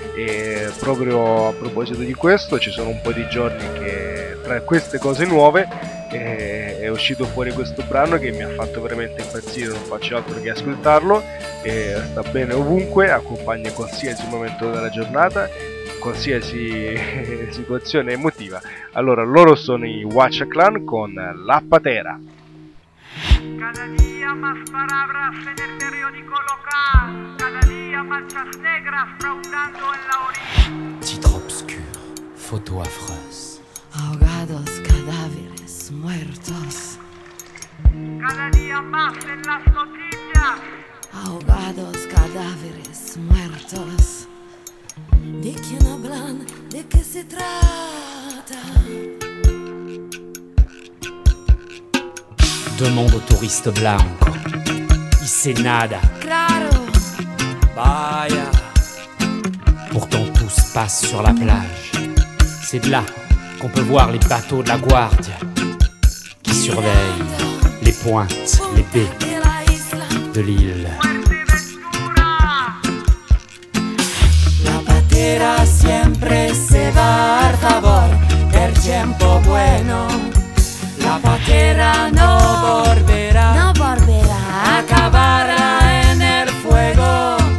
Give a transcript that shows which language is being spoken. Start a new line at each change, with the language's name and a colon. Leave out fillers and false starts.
Italian: E proprio a proposito di questo, ci sono un po' di giorni che tra queste cose nuove è uscito fuori questo brano che mi ha fatto veramente impazzire, non faccio altro che ascoltarlo, e sta bene ovunque, accompagna qualsiasi momento della giornata, qualsiasi situazione emotiva. Allora, loro sono i Watcha Clan con La Patera.
Spanish: Cada día más palabras en el periódico local, cada día manchas negras fraudando en la orilla.
French: Titre obscur, photo affreuse.
Spanish: Ahogados, cadáveres, muertos. Cada día más en las noticias. Ahogados, cadáveres, muertos. ¿De quién hablan? ¿De qué se trata?
French: Demande aux touristes blancs.
Spanish: sin nada. Claro. Vaya.
French: Pourtant tout se passe sur la plage. C'est de là qu'on peut voir les bateaux de la guardia qui surveillent les pointes, les baies de l'île.
Spanish: La patera siempre se va al favor del tiempo bueno. La patera no volverá, no volverá, acabará en el fuego.